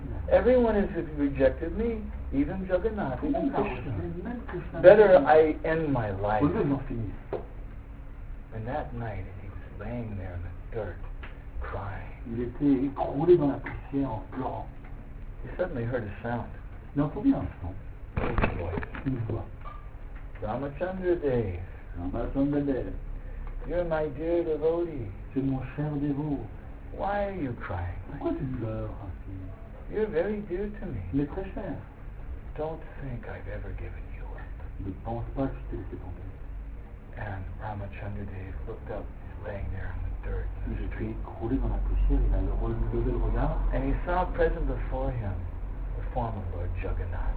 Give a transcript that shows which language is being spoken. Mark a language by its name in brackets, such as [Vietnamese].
[English] Everyone has rejected me, even Jagannath, even Krishna. Better I end my life. And that night, he was laying there in the dirt, crying. [French] Il était écroulé dans la poussière en pleurant. [English] He suddenly heard a sound. Non, pour bien. Non. [French] Une voix. Une voix. [English] Ramachandra Dev. [French] Ramachandra Dev. [English] You're my dear devotee. [French] Tu es mon cher dévot. [English] Why are you crying? [French] Pourquoi tu pleures? [English] You're very dear to me. [French] Mais très cher. [English] Don't think I've ever given you up. [French] Ne pense pas que je t'ai laissé tomber. [English] And Ramachandra Dev looked up, laying there on the dirt. [French] Il s'est écroulé dans la poussière, il a levé le regard. [English] And he saw present before him the form of Lord Jagannath.